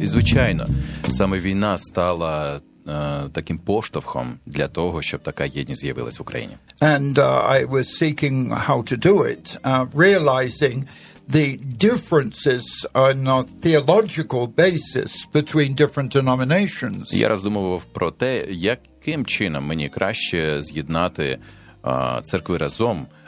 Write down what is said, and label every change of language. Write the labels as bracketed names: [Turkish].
[Ukrainian] І, звичайно, саме війна стала таким поштовхом для того, щоб така єдність з'явилась в Україні. [English] And I was seeking how to do it, realizing the differences on a theological basis between different denominations. [Ukrainian] Я роздумував про те, яким чином мені краще з'єднати церкви разом